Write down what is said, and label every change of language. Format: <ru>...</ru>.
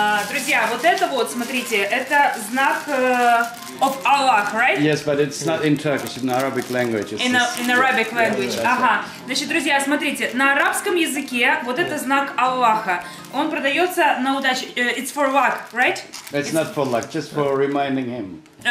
<ru>Друзья, вот это вот, смотрите, это знак of Аллах,</ru> <en>right? Yes, but it's not in Turkish, in Arabic language. In Arabic language.</en> <ru>Значит, друзья, смотрите, на арабском языке вот это знак Аллаха. Он продается на удачу.</ru> <en>It's for luck, right? It's not for luck, just for reminding him.</en>